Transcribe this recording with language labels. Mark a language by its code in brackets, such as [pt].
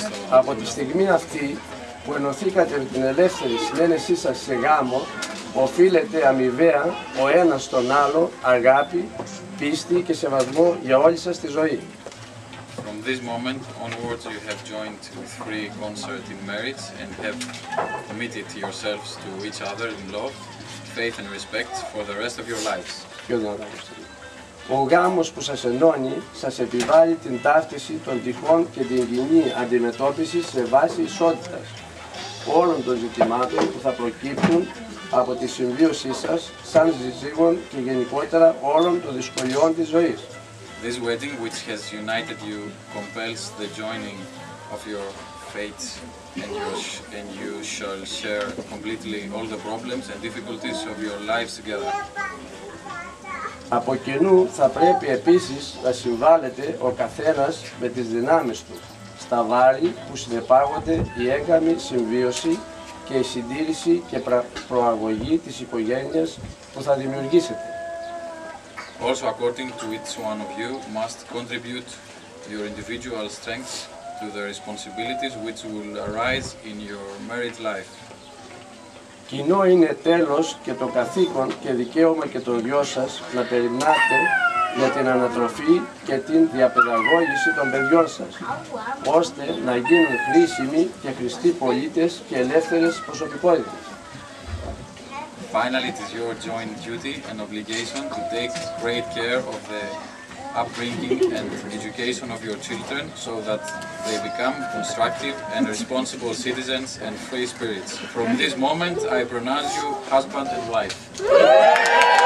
[el] Από τη στιγμή αυτή που ενωθήκατε με την ελεύθερη συνένεσή σας σε γάμο, οφείλετε αμοιβαία ο ένας στον άλλο αγάπη, πίστη και σεβασμό για όλη σας τη ζωή. [en] From this moment onwards you have joined with free consent in marriage and have committed yourselves to each other in love, faith and respect for the rest of your lives. [el] Ο γάμος που σας ενώνει, σας επιβάλλει την ταύτιση των τυχών και την κοινή αντιμετώπιση σε βάση ισότητας όλων των ζητημάτων που θα προκύπτουν από τη συμβίωσή σας σαν ζυγών και γενικότερα όλων των δυσκολιών της ζωής. [en] This wedding which has united you compels the joining of your fates and you shall share completely all the problems and difficulties of your lives together. [el] Από κοινού θα πρέπει επίσης να συμβάλλετε ο καθένας με τις δυνάμεις του, στα βάρη που συνεπάγονται η έγκαμη συμβίωση και η συντήρηση και προαγωγή της οικογένειας που θα δημιουργήσετε. [en] Also according to each one of you must contribute your individual strengths to the responsibilities which will arise in your married life. [el] Κοινό είναι τέλος και το καθήκον και δικαίωμα και το δυο σας να περιμένετε για την ανατροφή και την διαπαιδαγώγηση των παιδιών σας, ώστε να γίνουν χρήσιμοι και χρηστοί πολίτες και ελεύθερες προσωπικότητες. [en] Finally, it is your joint duty and obligation to take great care of the upbringing and education of your children so that they become constructive and responsible citizens and free spirits. From this moment, I pronounce you husband and wife.